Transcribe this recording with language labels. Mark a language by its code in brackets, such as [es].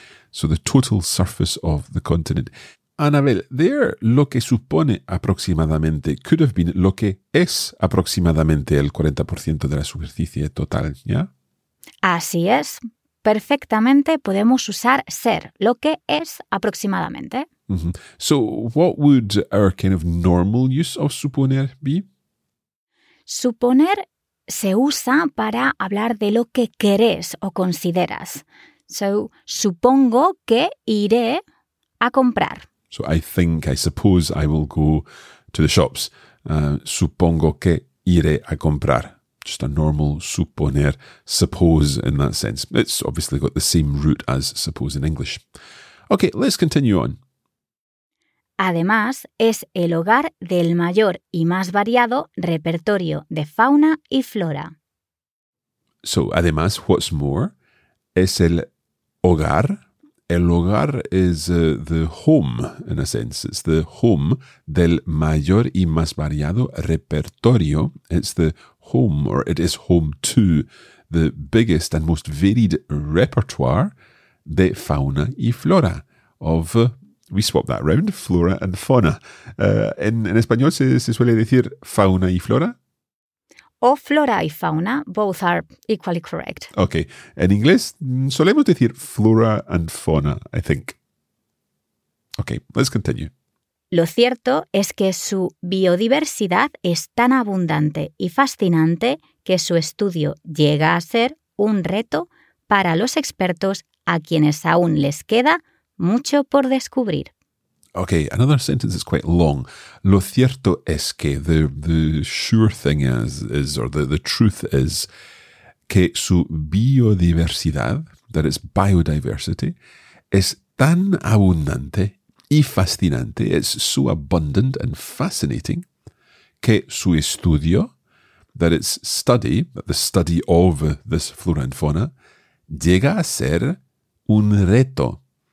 [en] So the total surface of the continent. [es] Anabel, there, lo que supone aproximadamente [en] could have been [es] lo que es aproximadamente el 40% de la superficie total, ¿ya? Así es. Perfectamente podemos usar ser, lo que es aproximadamente. Mm-hmm. [en] So what would our kind of normal use of suponer be? [es] Suponer se usa para hablar de lo que querés o consideras. So, supongo que iré a comprar. [en] So, I suppose I will go to the shops. [es] Supongo que iré a comprar. [en] Just a normal suponer, suppose in that sense. It's obviously got the same root as suppose in English. Okay, let's continue on. [es] Además, es el hogar del mayor y más variado repertorio de fauna y flora. So, además, [en] what's more, [es] es el hogar. [en] El hogar is the home, in a sense. It's the home [es] del mayor y más variado repertorio. [en] It's the home, or it is home to, the biggest and most varied repertoire [es] de fauna y flora [en] of We swap that round, flora and fauna. [es] En español se suele decir fauna y flora. O flora y fauna, [en] both are equally correct. Okay. [es] En inglés solemos decir [en] flora and fauna, I think. Okay, let's continue. [es] Lo cierto es que su biodiversidad es tan abundante y fascinante que su estudio llega a ser un reto para los expertos a quienes aún les queda mucho por descubrir. [en] Okay, another sentence is quite long. [es] Lo cierto es que [en] the sure thing is or the truth is [es] que su biodiversidad, [en] that is biodiversity, [es] es tan abundante y fascinante, [en] it's so abundant and fascinating, [es] que su estudio, [en] that its study, the study of this flora and fauna, [es] llega a ser un reto.